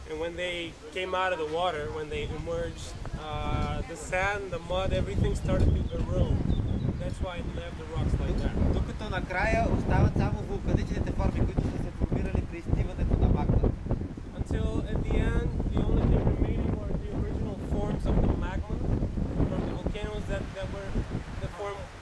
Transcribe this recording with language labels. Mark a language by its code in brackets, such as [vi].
[en] And when they came out of the water, when they emerged, the sand, the mud, everything started to erode. That's why they left the rocks like that. [bg] Докато накрая остават само вулканичните форми, които са се формирали при изтиването на магма. [en] Until at the end, the only thing remaining were the original forms of the magma from the volcanoes that were the form